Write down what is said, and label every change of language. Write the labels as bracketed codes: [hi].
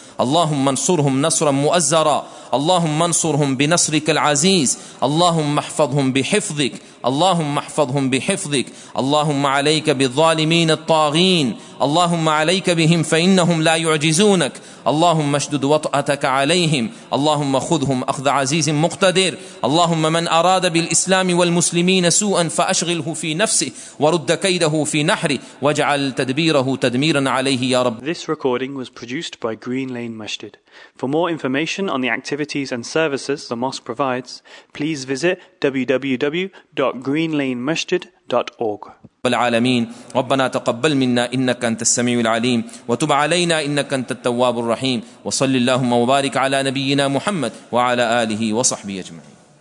[ar] اللهم انصرهم نصرا مؤزرا اللهم انصرهم بنصرك العزيز اللهم احفظهم بحفظك اللهم احفظهم بحفظك اللهم عليك بالظالمين الطاغين اللهم عليك بهم فإنهم لا يعجزونك اللهم اشدد وطأتك عليهم اللهم خذهم أخذ عزيز مقتدر اللهم من أراد بالإسلام والمسلمين سوءا فأشغله في نفسه ورد كيده في نحره واجعل تدبيره تدميرا عليه يا رب. [en] This recording was produced by Green Lane Masjid. For more information on the activities and services the mosque provides, please visit www.greenlanemasjid.org. [ar] العالمين ربنا تقبل منا إنك أنت السميع العليم وتب علينا إنك أنت التواب الرحيم وصلي اللهم وبارك على نبينا محمد وعلى آله وصحبه أجمعين.